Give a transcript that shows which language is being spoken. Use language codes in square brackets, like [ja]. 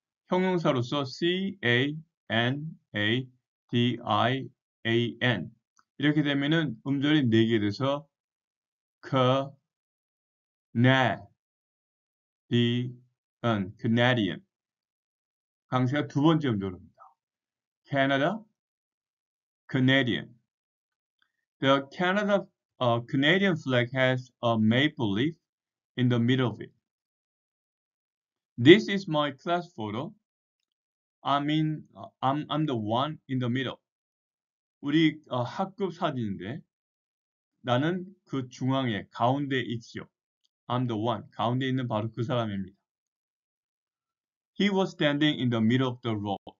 [ko] 형용사로서 C-A-N-A-D-I-A-N 이렇게 되면은 음절이 네 개 돼서 Canadian, Canadian. 강세가 두 번째 음절입니다. [en] Canada, Canadian. The Canadian flag has a maple leaf in the middle of it. This is my class photo. I'm the one in the middle. [ko] 우리 학급 사진인데 나는 그 중앙에 가운데 있지요. [en] I'm the one. [ko] 가운데 있는 바로 그 사람입니다. [en] He was standing in the middle of the road.